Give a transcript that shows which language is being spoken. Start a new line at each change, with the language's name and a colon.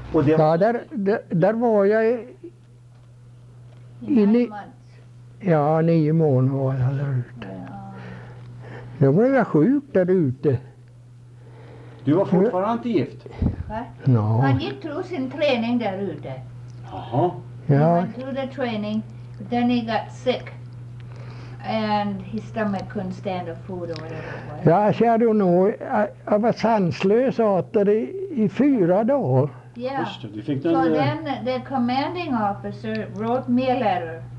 Swedish: och där var jag i 9 månader. Ja, 9 månader var jag där ute. Ja. Då blev jag sjuk där ute. Du var fortfarande inte gift? Va?
English: No.
Swedish: Han gick tror sin träning där ute. Jaha. Ja.
English: He went through the training, but then he got sick. And his stomach couldn't stand the food or whatever it was.
Swedish: Ja, jag var sanslös åter i 4 dagar. Ja, yeah.
English: So then the commanding officer wrote me a letter.